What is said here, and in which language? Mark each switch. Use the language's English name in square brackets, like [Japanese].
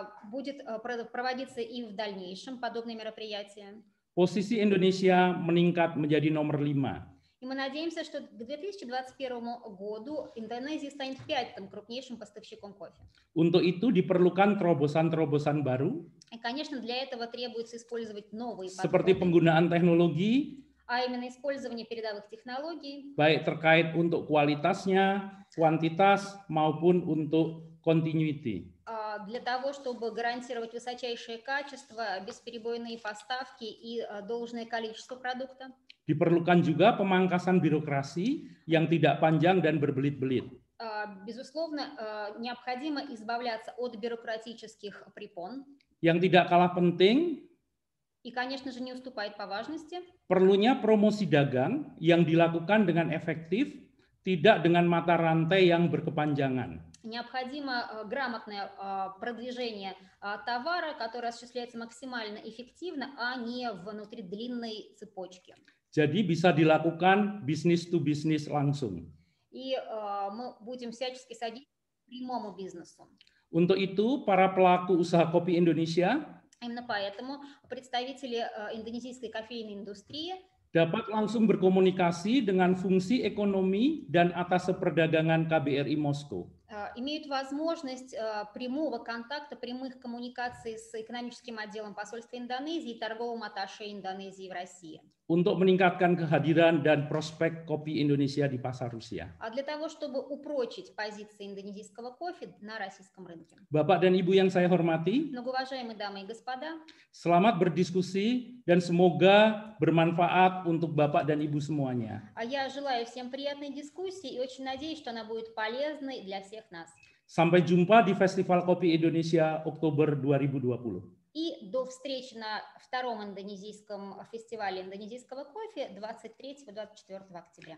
[Russian] будет проводиться и в дальнейшем подобные мероприятия. [Indonesian] Posisi Indonesia meningkat menjadi nomor 5. [Russian] И мы надеемся, что к 2021 году Индонезия станет пятым крупнейшим поставщиком кофе. [Indonesian] Untuk itu diperlukan terobosan-terobosan baru. [Russian] И, конечно, для этого требуется использовать новые подходы. [Indonesian] Seperti penggunaan teknologi. [Russian] А именно использование передовых технологий. [Indonesian] Baik terkait untuk kualitasnya, kuantitas maupun untuk continuity. [Russian] Для того, чтобы гарантировать высочайшее качество, бесперебойные поставки и должное количество продукта. [Indonesian] Diperlukan juga pemangkasan birokrasi yang tidak panjang dan berbelit-belit. [Russian] Безусловно, необходимо избавляться от бюрократических препон. [Indonesian] Yang tidak kalah penting. [Russian] И, конечно же, не уступает по важности. [Indonesian] Perlunya promosi dagang yang dilakukan dengan efektif, tidak dengan mata rantai yang berkepanjangan. [Russian] Необходимо грамотное продвижение товара, которое осуществляется максимально эффективно, а не внутри длинной цепочки. [Indonesian] Jadi bisa dilakukan business to business langsung. [Russian] И мы будем всячески содействовать прямому бизнесу. [Indonesian] Untuk itu para пелаку usaha kopi Indonesia. [Russian] Именно поэтому представители индонезийской кофейной индустрии [Indonesian] dapat langsung berkomunikasi dengan fungsi ekonomi dan atase perdagangan KBRI Moskow. [Russian] Имеют возможность прямого контакта, прямых коммуникаций с экономическим отделом посольства Индонезии и торговым атташе Индонезии в России. [Indonesian] Untuk meningkatkan kehadiran dan prospek kopi Indonesia di pasar Rusia. [Russian] А для того, чтобы упрочить позиции индонезийского кофе на российском рынке. [Indonesian] Bapak dan Ibu yang saya hormati. [Russian] Многоуважаемые дамы и господа. [Indonesian] Selamat berdiskusi dan semoga bermanfaat untuk Bapak dan Ibu semuanya. [Russian] А я желаю всем приятной дискуссии и очень надеюсь, что она будет полезной для всех нас. [Indonesian] Sampai jumpa di Festival Kopi Indonesia Oktober 2020. [Russian] И до встречи на втором индонезийском фестивале индонезийского кофе 23-24 октября.